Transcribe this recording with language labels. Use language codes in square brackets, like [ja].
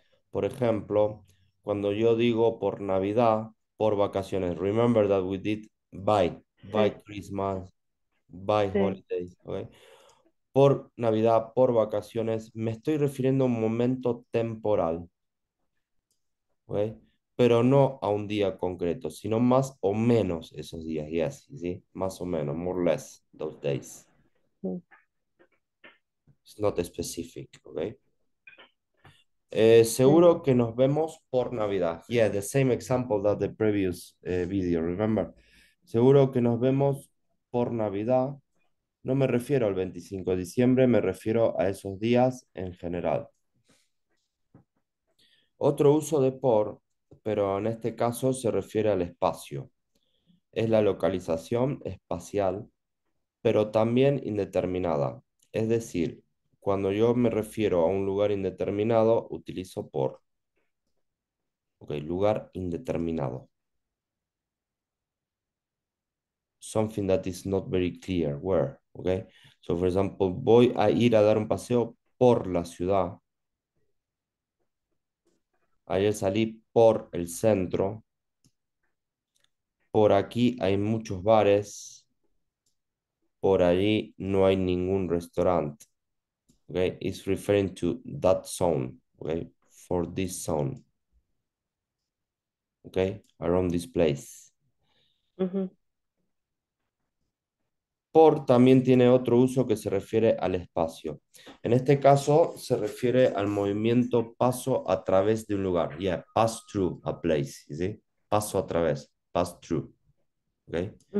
[es] Por ejemplo, cuando yo digo por Navidad, por vacaciones, [en] remember that we did by Christmas, by [es] Sí. [en] holidays, ¿okay? [es] Por Navidad, por vacaciones, me estoy refiriendo a un momento temporal, ¿okay? Pero no a un día concreto, sino más o menos esos días, y así, ¿sí? Más o menos, [en] more or less, those days. It's not specific, ¿ok? [es] Seguro que nos vemos por Navidad. [en] Yeah, the same example that the previous video, remember. [es] Seguro que nos vemos por Navidad. No me refiero al 25 de diciembre, me refiero a esos días en general. Otro uso de por. Pero en este caso se refiere al espacio. Es la localización espacial, pero también indeterminada. Es decir, cuando yo me refiero a un lugar indeterminado, utilizo por. Ok, lugar indeterminado. [en] Something that is not very clear where. Ok, so for example, [es] voy a ir a dar un paseo por la ciudad. Ayer salí por el centro. Por aquí hay muchos bares. Por allí no hay ningún restaurante. [en] Okay, it's referring to that zone. Okay, for this zone. Okay, around this place. [es] Por también tiene otro uso que se refiere al espacio. En este caso se refiere al movimiento paso a través de un lugar. [en] Pass through a place, ¿sí? [es] Paso a través, [en] pass through. ¿Okay?